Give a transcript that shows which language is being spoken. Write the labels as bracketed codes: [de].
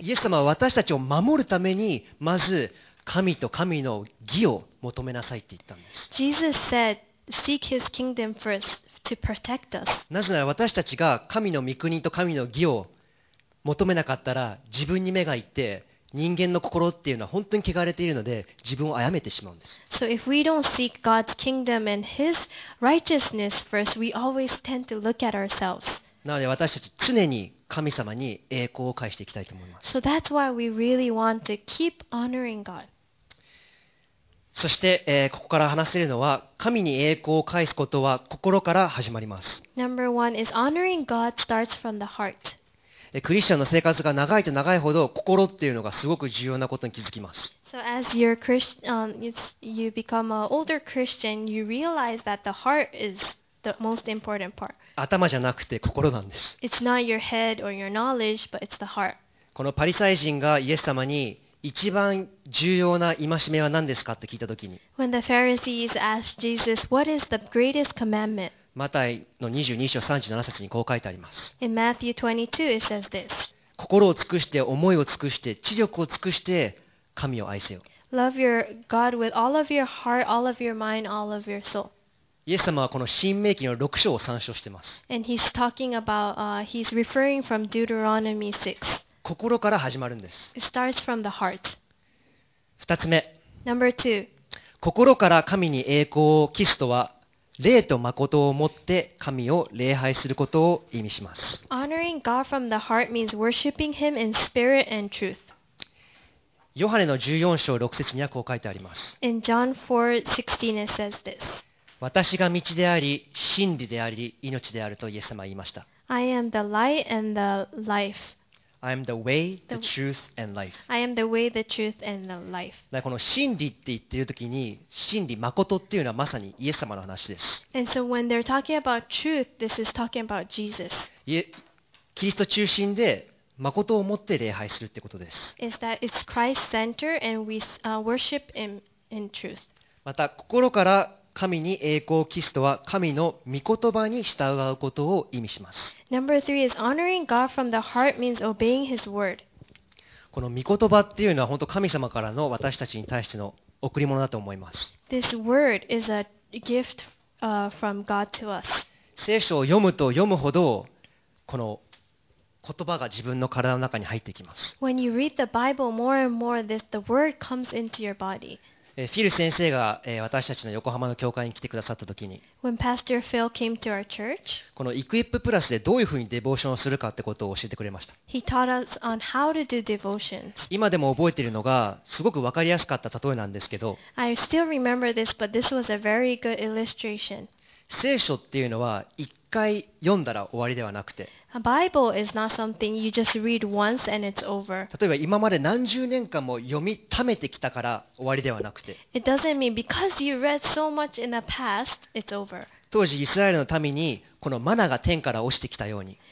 [ja] イエス様は私たちを守るために、まず神と神の義を求めなさいって言ったんです。 [en] Jesus said, "Seek His kingdom first to protect us." [ja] なぜなら私たちが神の御国と神の義を求めなかったら、自分に目がいって、人間の心っていうのは本当に汚れているので、自分を殺めてしまうんです。 [en] So if we don't seek God's kingdom and His righteousness first, we always tend to look at ourselves. [ja] なので私たち常に神様に栄光を返していきたいと思います。 [en] So that's why we really want to keep honoring God. [ja] そして、ここから話せるのは、神に栄光を返すことは心から始まります。 [en] Number one is honoring God starts from the heart. [ja] クリスチャンの生活が長いと長いほど心っていうのがすごく重要なことに気づきます。 [en] So as you're Christian, you become an older Christian, you realize that the heart is the most important part. [ja] 頭じゃなくて心なんです。 [en] It's not your head or your knowledge, but it's the heart. [ja] このパリサイ人がイエス様に一番重要な戒めは何ですかって聞いたときに、 [en] When the Pharisees asked Jesus, "What is the greatest commandment?" [ja] マタイの22章37節にこう書いてあります。 [en] In Matthew 22, it says this. [ja] 心を尽くして、思いを尽くして、知力を尽くして、神を愛せよ。 [en] Love your God with all of your heart, all of your mind, all of your soul. [ja] イエス様はこの新命記の6章を参照しています。 [en] And he's talking about, he's referring from Deuteronomy 6. [ja] 心から始まるんです。 [en] It starts from the heart. [ja] 2つ目。 [en] Number 2. [ja] 心から神に栄光を期すとは、霊と誠をもって神を礼拝することを意味します。 [en] Honoring God from the heart means worshiping Him in spirit and truth. [ja] ヨハネの14章6節にはこう書いてあります。 [en] In John 4:16 it says this. [ja] 私が道であり、真理であり、命であるとイエス様は言いました。 [en] I am the light and the life. I am the way, the truth, and life. I am the way, the truth, and the life. [ja] だからこの真理って言ってる時に、真理、誠っていうのはまさにイエス様の話です。 [en] And so when they're talking about truth, this is talking about Jesus. [ja] キリスト中心で誠を持って礼拝するってことです。 [en] Is that it's Christ-centered and we worship Him in truth. [ja] また心から神に栄光を期すとは、神の御言葉に従うことを意味します。 [en] Number three is honoring God from the heart means obeying His word. [ja] この御言葉っていうのは本当神様からの私たちに対しての贈り物だと思います。 [en] This word is a gift, from God to us. [ja] 聖書を読むと読むほど、この言葉が自分の体の中に入ってきます。 [en] When you read the Bible more and more, this the word comes into your body. [ja] フィル先生が私たちの横浜の教会に来てくださったときに、 [en] When Pastor Phil came to our church, [ja] このイクイッププラスでどういうふうにデボーションをするかってことを教えてくれました。 [en] He taught us on how to do devotions. [ja] 今でも覚えているのがすごく分かりやすかった例えなんですけど、 [en] I still remember this, but this was a very good illustration. [ja] 聖書っていうのは一回読んだら終わりではなくて、 [en] A Bible is not something you just read once and it's over. [ja] 例えば今まで何十年間も読み溜めてきたから終わりではなくて、 [en] It doesn't mean because you read so much in the past, it's over. [ja] 当時イスラエルの民にこのマナが天から落ちてきたように、